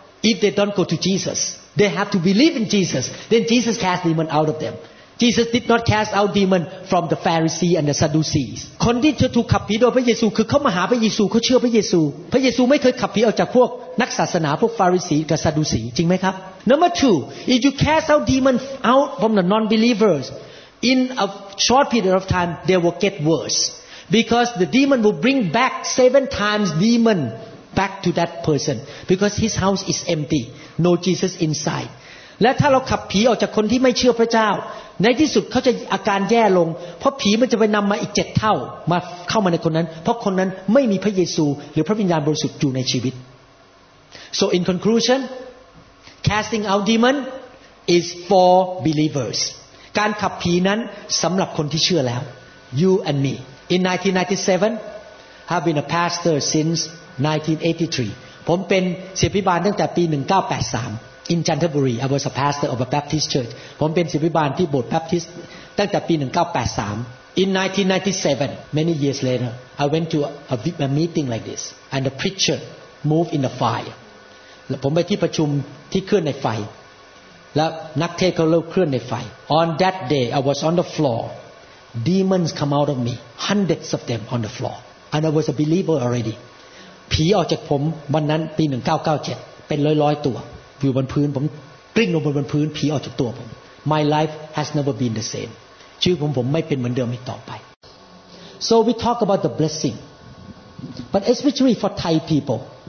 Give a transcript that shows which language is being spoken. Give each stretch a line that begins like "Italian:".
English: If they don't go to Jesus, they have to believe in Jesus. Then Jesus cast demon out of them. Jesus did not cast out demon from the Pharisee and the Sadducees.
Thai: คนที่จะถูกขับผีโดยพระเยซูคือเขามาหาพระเยซูเขาเชื่อพระเยซูพระเยซูไม่เคยขับผีออกจากพวกนักศาสนาพวกฟาริสีกับซาดูซีจริงไหมครับ
English: Number two, if you cast out demon out from the non-believers, in a short period of time, they will get worse because the demon will bring back 7 times demon. Back to that person because his house is empty, no Jesus inside.
Thai: และถ้าเราขับผีออกจากคนที่ไม่เชื่อพระเจ้าในที่สุดเขาจะอาการแย่ลงเพราะผีมันจะไปนำมาอีก7 เท่ามาเข้ามาในคนนั้นเพราะคนนั้นไม่มีพระเยซูหรือพระวิญญาณบริสุทธิ์อยู่ในชีวิต
English: So in conclusion, casting out demon is for believers.
Thai: การขับผีนั้นสำหรับคนที่เชื่อแล้ว
English: You and me. In 1997, have been a pastor since. 1983.
Thai: ผมเป็นศิษย์ภิบาลตั้งแต่ปี1983
English: in Canterbury. I was a pastor of a Baptist church.
Thai: ผมเป็นศิษย์ภิบาลที่โบสถ์ Baptist ตั้งแต่ปี1983
English: in 1997. Many years later, I went to a meeting like this, and the preacher moved in the fire.
Thai: ผมไปที่ประชุมที่เคลื่อนในไฟและนักเทศน์เขาเคลื่อนในไฟ
English: On that day, I was on the floor. Demons come out of me, hundreds of them on the floor, and I was a believer already.
Thai: ผีออกจากผมวันนั้นปี1997เป็นร้อยๆตัวอยู่บนพื้นผมกลิ้งลงบนพื้นผีออกจากตัวผม
English: My life has never been the same
Thai: ชีวิตผมไม่เป็นเหมือนเดิมอีกต่อไป
English: So we talk about the blessing but especially for Thai people